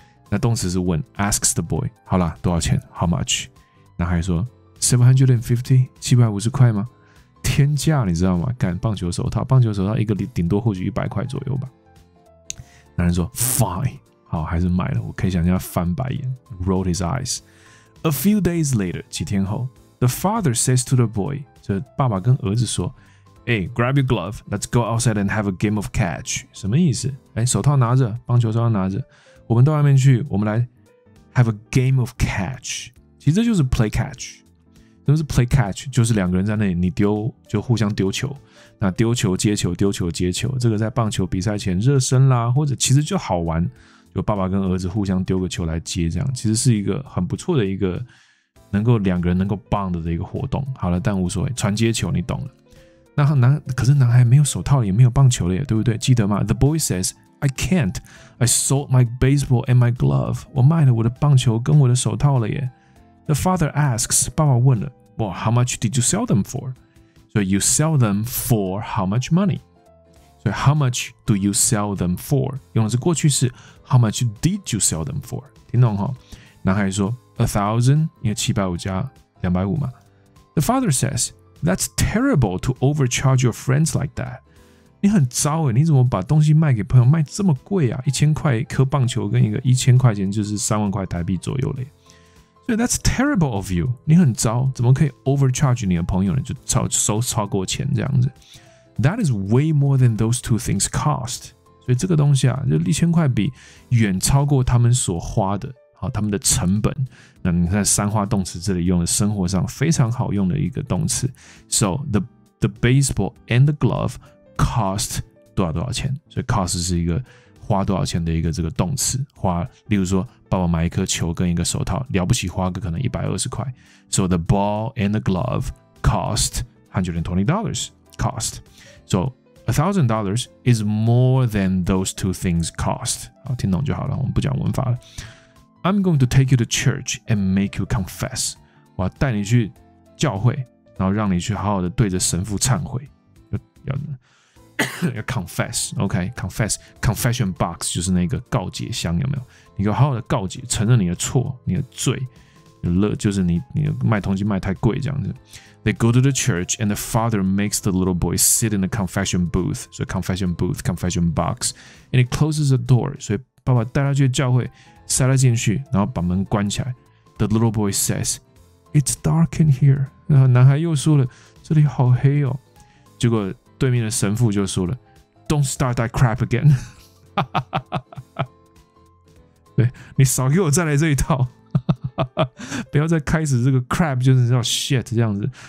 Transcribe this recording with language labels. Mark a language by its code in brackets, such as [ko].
[zh] 那动词是问 ， [en] asks the boy. [zh] 好啦，多少钱 ？ [en] How much? [zh] 男孩说 750, 750块吗？天价你知道吗干棒球手套棒球手套一个顶多或许100块左右吧男人说 [en] Fine [zh] 好，还是买了。我可以想象翻白眼 ， [en] rolled his eyes. A few days later, [zh] 几天后 [en] ，the father says to the boy, [zh] 这爸爸跟儿子说 [en] ，Hey, grab your glove, let's go outside and have a game of catch. [zh] 什么意思？哎，手套拿着，棒球手套拿着，我们到外面去，我们来 [en] have a game of catch. [zh] 其实就是 [en] play catch. [zh] 什么是 play catch? 就是两个人在那里，你丢就互相丢球。那丢球接球，丢球接球，这个在棒球比赛前热身啦，或者其实就好玩，就爸爸跟儿子互相丢个球来接，这样其实是一个很不错的一个能够两个人能够 bond 的一个活动。好了，但无所谓，传接球你懂了。那可是男孩没有手套，也没有棒球了，对不对？ [en] 记得吗 ？The boy says, "I can't. I sold my baseball and my glove. [zh] 我卖了我的棒球跟我的手套了耶。 [en] The father asks, [zh] 爸爸问了 [en] "Well, how much did you sell them for?" So you sell them for how much money? So how much do you sell them for? [zh] 用的是过去式 [en] How much did you sell them for? [zh] 听懂哈？男孩说 1,000, 因为750+250嘛。 [en] The father says, "That's terrible to overcharge your friends like that." [zh] 你很糟哎，你怎么把东西卖给朋友卖这么贵啊？ 1000块一颗棒球跟一个1000块钱就是30000块台币左右嘞。所以 [en] that's terrible of you. [zh] 你很糟，怎么可以 overcharge 你的朋友呢？就超过钱这样子。 [en] That is way more than those two things cost. [zh] 所以这个东西啊，就1000块比远超过他们所花的，好，他们的成本。那你看三花动词这里用的生活上非常好用的一个动词。 [en] So the baseball and the glove cost [zh] 多少多少钱？所以 cost 是一个花多少钱的一个这个动词，花，例如说，爸爸买一颗球跟一个手套，了不起花个可能120块。 [en] So the ball and the glove cost $120. Cost. So $1,000 is more than those two things cost. [zh] 好，听懂就好了，我们不讲文法了。 [en] I'm going to take you to church and make you confess. [zh] 我要带你去教会，然后让你去好好的对着神父忏悔。要confess, OK, confess, confession box 就是那个告解箱，有没有？你要好好的告解，承认你的错，你的罪，就是你卖东西卖太贵这样子。 [en] They go to the church and the father makes the little boy sit in the confession booth, so confession booth, confession box, and he closes the door. [zh] 所以爸爸带他去教会，塞他进去，然后把门关起来。 [en] The little boy says, "It's dark in here." [zh] 然后男孩又说了，这里好黑哦。结果对面的神父就说了 [en] "Don't start that crap again." [zh] 对，你少给我再来这一套，不要再开始这个 crap， 就是叫 shit 这样子。